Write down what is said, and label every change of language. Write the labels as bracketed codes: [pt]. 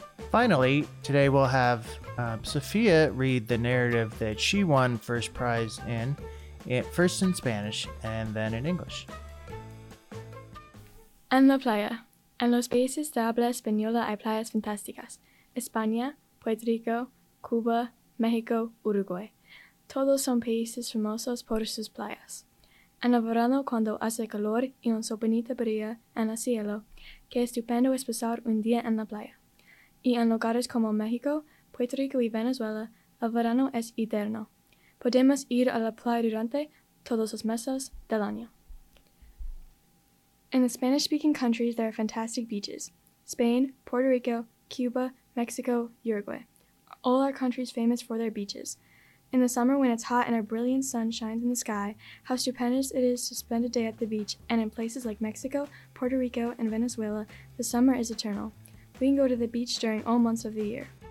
[en] Finally, today we'll have Sophia read the narrative that she won first prize in, first in Spanish and then in English. [es] En la playa, en los países de habla española hay playas fantásticas. España, Puerto Rico, Cuba, México, Uruguay. Todos son países hermosos por sus playas. En el verano, cuando hace calor y un sol bonito brilla en el cielo, qué estupendo es pasar un día en la playa. Y en lugares como México, Puerto Rico y Venezuela, el verano es eterno. Podemos ir a la playa durante todos los meses del año. [en] In the Spanish-speaking countries, there are fantastic beaches. Spain, Puerto Rico, Cuba, Mexico, Uruguay. All are countries famous for their beaches. In the summer, when it's hot and a brilliant sun shines in the sky, how stupendous it is to spend a day at the beach. And in places like Mexico, Puerto Rico, and Venezuela, the summer is eternal. We can go to the beach during all months of the year.